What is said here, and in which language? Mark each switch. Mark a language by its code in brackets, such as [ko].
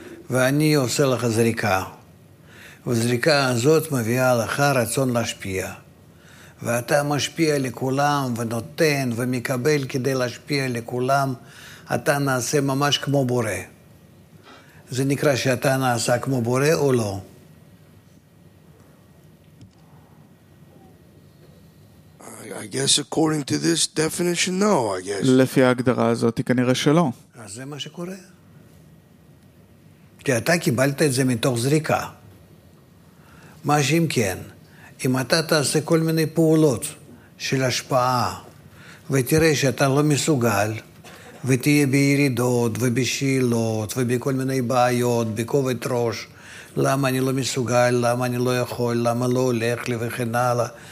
[he] ואני עושה לך זריקה, וזריקה הזאת מביאה לך רצון להשפיע. ואתה משפיע לכולם ונותן ומקבל כדי להשפיע לכולם, אתה נעשה ממש כמו בורא. זה נקרא שאתה נעשה כמו בורא או לא? [en] I guess according to this definition, no, I guess. [he] לפי ההגדרה הזאת, כנראה שלא. אז זה מה שקורה. כי אתה קיבלת את זה מתוך זריקה. מה שאם כן, אם אתה תעשה כל מיני פעולות של השפעה, ותראה שאתה לא מסוגל, ותהיה בירידות ובשאלות ובכל מיני בעיות, בכובד ראש, למה אני לא מסוגל, למה אני לא יכול, למה לא הולך לי וכן הלאה,